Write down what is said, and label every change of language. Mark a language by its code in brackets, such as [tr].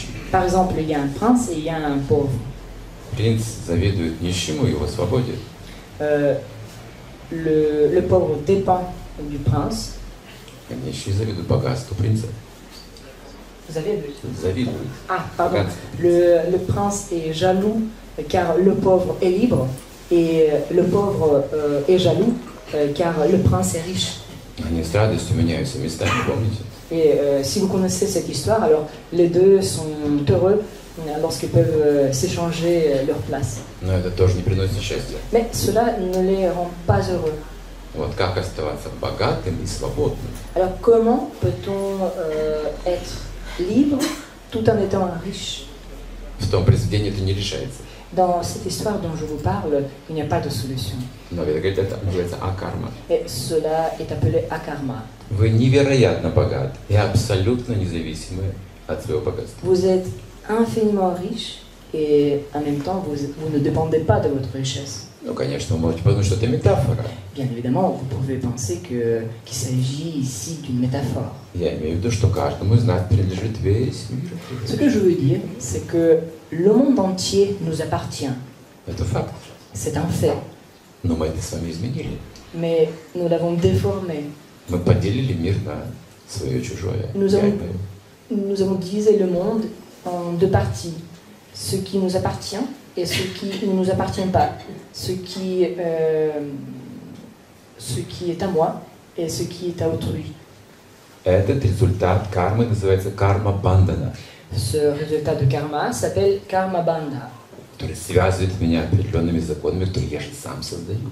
[fr] Par exemple, il y a un prince et il y a un pauvre. [ru] Prince завидует нищему и его свободе. [fr] Le pauvre dépend du prince. [ru] Нищий завидует богатству принца. Завидует. [fr] Ah, pardon. Le prince est jaloux car le pauvre est libre et le pauvre est jaloux car le prince est riche. [ru] Они с радостью меняются местами, помните? [fr] Et si vous connaissez cette histoire, alors les deux sont heureux lorsqu'ils peuvent s'échanger leur place. [ru] Но это тоже не приносит счастья. [fr] Mais cela ne les rend pas heureux. [ru] Вот как оставаться богатым и свободным? [fr] Alors, comment peut-on être libre tout en étant riche? [ru] В том произведении это не решается. [fr] Dans cette histoire dont je vous parle, il n'y a pas de solution. [ru] Но это называется акарма. [fr] Et cela est appelé акарма. [ru] Вы невероятно богат и абсолютно независимы от своего богатства. [fr] Vous êtes infiniment riche et en même temps vous ne dépendez pas de votre richesse. [ru] Ну, конечно, вы можете подумать, что это метафора. [fr] Bien évidemment, vous pouvez penser qu'il s'agit ici d'une métaphore. [ru] Я имею в виду, что каждому из нас принадлежит весь мир. [fr] Ce que je veux dire, c'est que le monde entier nous appartient. [ru] Это факт. [fr] C'est un fait. [ru] Но мы это с вами изменили. [fr] Mais nous l'avons déformé. [ru] Мы поделили мир на свое и чужое. [fr] Nous avons divisé le monde en deux parties. Ce qui nous appartient et ce qui ne nous appartient pas, ce qui est à moi et ce qui est à autrui. [ru] Этот результат кармы называется карма бандана. [fr] Ce résultat de karma s'appelle karma banda. [ru] Который связывает меня определенными законами, которые я же сам создаю.